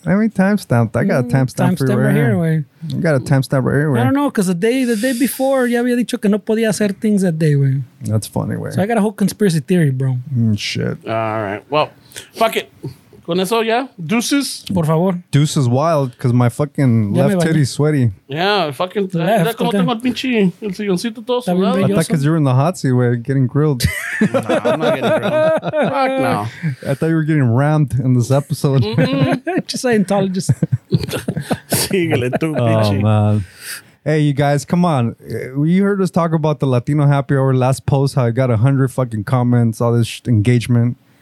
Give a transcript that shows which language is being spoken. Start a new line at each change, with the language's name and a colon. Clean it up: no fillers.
English: Let me timestamp. I got a timestamp for right here. Way. I got a timestamp right here. I don't know, because the day before,
Spanish: ya había dicho que no podía hacer
English: things that day, way. That's funny, way. So I got a whole conspiracy theory, bro. Shit. All right. Well, fuck it.
Spanish: Con eso,
English: yeah? Deuces?
Spanish: Por favor.
English: Deuces wild, because my fucking left titty is sweaty. Yeah, fucking... Left.
Spanish: ¿Cómo tengo el pinche el silloncito todo sudado?
English: I thought because you were in the hot seat where you're getting grilled. Nah, I'm not getting grilled. Fuck no. I thought you were getting rammed in this episode. Mm-hmm. Just Scientologist.
Spanish: Síguele tú, pinche.
English: Oh, man. Hey, you guys, come on. You heard us talk about the Latino Happy Hour last post, how I got 100 fucking comments, all this engagement.